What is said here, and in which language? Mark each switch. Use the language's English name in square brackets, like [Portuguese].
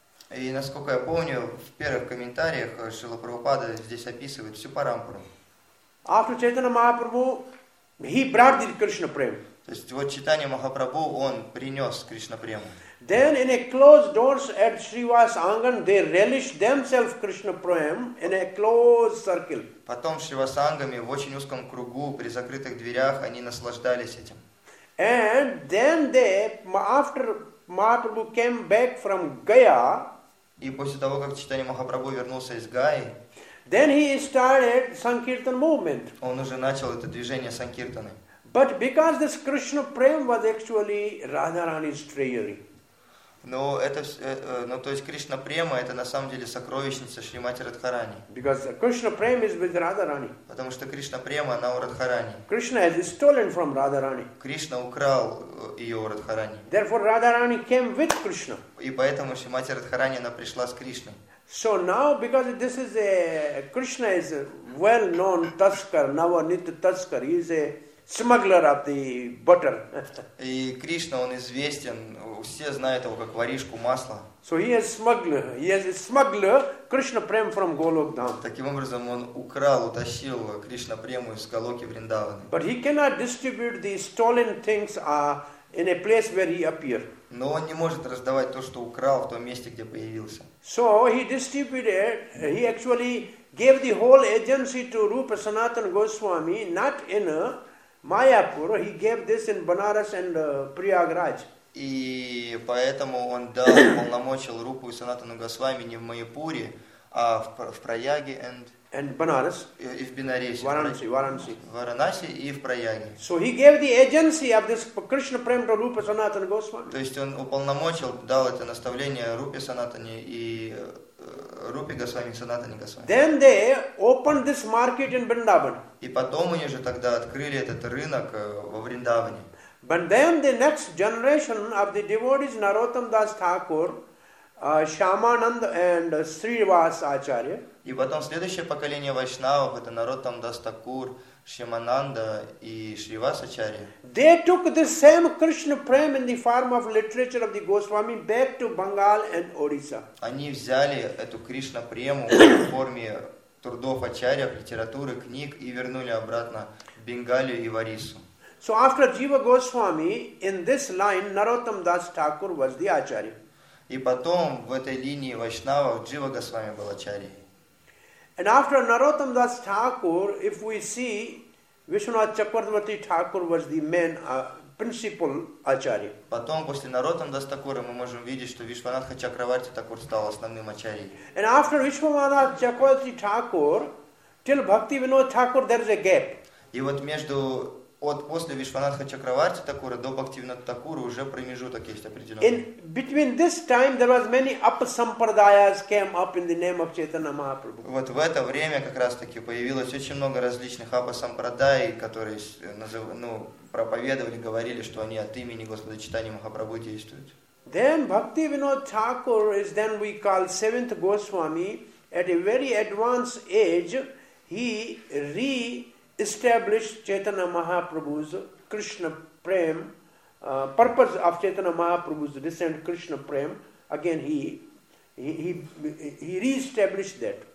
[Russian] И насколько я помню, в первых комментариях Шрила Прабхупада здесь описывает всю парампару. [English] After Chaitanya Mahaprabhu, he brought the Krishna Prema. [Russian] То есть вот Чайтанья Махапрабху он принес Кришна Прему. [English] Then in a closed doors at Srivas Angan, they relished themselves Krishna Prema in a closed circle. [Russian] Потом Шривасангами в очень узком кругу при закрытых дверях они наслаждались этим. [English] And then after Mahaprabhu came back from Gaya. [Russian] И после того, как Чайтанья Махапрабху вернулся из Гаи, [English] then he started Sankirtan movement. [Russian] Он уже начал это движение Санкиртаны. [English] But because this Krishna Prema was actually Radharani's treasury. [Russian] Но это, ну то есть Кришна према это на самом деле сокровищница Шримати Радхарани. [English] Because Krishna prema is with Radharani. [Russian] Потому что Кришна према она у Радхарани. [English] Krishna has stolen from Radharani. [Russian] Кришна украл ее у Радхарани. [English] Therefore Radharani came with Krishna. [Russian] И поэтому Шримати Радхарани она пришла с Кришной. [English] So now because this is a Krishna is a well known Tuskar, Navanita Tuskar, he is a smuggler of the butter. [Russian] И Кришна он известен, все знают его как воришку масла. [English] So he is smuggler. He is a smuggler Krishna prem from Golok Dham. [Russian] Таким образом он украл, утащил Кришна прему из Голоки Вриндаваны. [English] But he cannot distribute the stolen things in a place where he appeared. [Russian] Но он не может раздавать то, что украл в том месте, где появился. [English] So he distributed. He actually gave the whole agency to Rupa Sanatan Goswami, not in a Mayapur, he gave this in Banaras and Prayagraj. [Russian] И поэтому он дал полномочил Рупу и Санатану Госвами не в Майяпуре, а в Прояге [English] and Banaras. [Russian] И в Бенарасе. Варанаси. Варанаси и в Прояге. [English] So he gave the agency of this Krishna prema to Rupa Sanatana Goswami. [Russian] То есть он уполномочил, дал это наставление Рупе Санатане и Рупе Госвами, Санатане Госвами. [English] Then they opened this market in Vrindavan. [Russian] И потом они же тогда открыли этот рынок во Вриндаване. [English] But then the next generation of the devotees, Narottam Das Thakur, Shyamananda and Srinivas Acharya. [Russian] И потом следующее поколение вайшнавов, это Narottam Das Thakur, Шимананда и Шривас Ачарья. [English] They took the same Krishna prema in the form of literature of the Goswami back to Bengal and Odisha. [Russian] Они взяли эту Кришна прему в форме трудов Ачарья, литературы, книг и вернули обратно в Бенгалию и в Орису. [English] So after Jiva Goswami, in this line, Narottam Das Thakur was the Acharya. [Russian] И потом в этой линии вайшнавов Джива Госвами был Ачарьей. [English] And after Narottam Das Thakur, if we see, Vishwanath Chakravarti Thakur was the main principal Acharya. [Russian] Потом после Narottam Das Thakura мы можем видеть, что Vishwanath Chakravarti Thakur стал основным Acharyей. [English] And after Vishwanath Chakravarti Thakur, till Bhakti Vinod Thakur, there is a gap. [Russian] И вот между от после Vishwanath Chakravarti Thakura до Bhakti Vinod Thakura уже промежуток есть определенный. [English] In between this time there was many upasampradayas came up in the name of Chaitanya Mahaprabhu. [Russian] Вот в это время как раз таки появилось очень много различных апасампрадай, которые проповедовали, говорили, что они от имени Господа Чайтанья Махапрабху действуют. [English] Then Bhakti Vinod Thakur is then we call seventh Goswami at a very advanced age he re established Chaitanya Mahaprabhu's Krishna Prem, purpose of Chaitanya Mahaprabhu's descent Krishna Prem, again he re-established that.